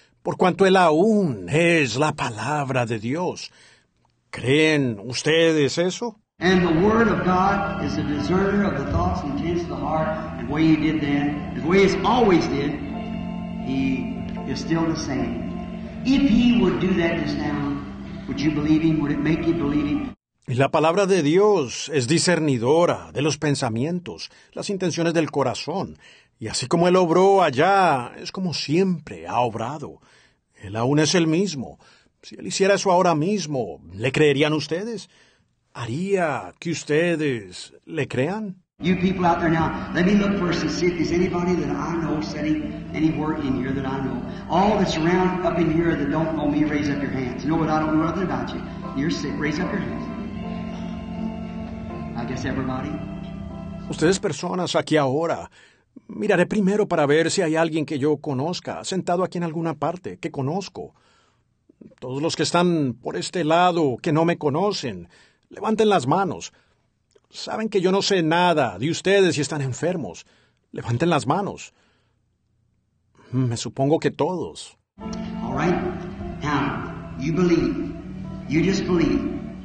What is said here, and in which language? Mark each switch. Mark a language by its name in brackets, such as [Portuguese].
[Spanish] Por cuanto Él aún es la palabra de Dios. ¿Creen ustedes eso? [English] And the word of God is the discerner of the thoughts and intents of the heart, and the way He did then, and the way He's always did, He is still the same. If He would do that just now, would you believe Him? Would it make you believe Him? [Spanish] Y la palabra de Dios es discernidora de los pensamientos, las intenciones del corazón, y así como Él obró allá, es como siempre ha obrado. Él aún es el mismo. Si Él hiciera eso ahora mismo, ¿le creerían ustedes? ¿Haría que ustedes le crean? [English] You people out there now, let me look first and see if there's anybody that I know sitting anywhere in here that I know. All that's around up in here that don't know me, raise up your hands. You know what? I don't know nothing about you. You're sick. Raise up your hands. I guess everybody. [Spanish] Ustedes personas aquí ahora, miraré primero para ver si hay alguien que yo conozca, sentado aquí en alguna parte, que conozco. Todos los que están por este lado que no me conocen, levanten las manos. Saben que yo no sé nada de ustedes y están enfermos. Levanten las manos. Me supongo que todos. [English] All right. Now, you believe. You just believe.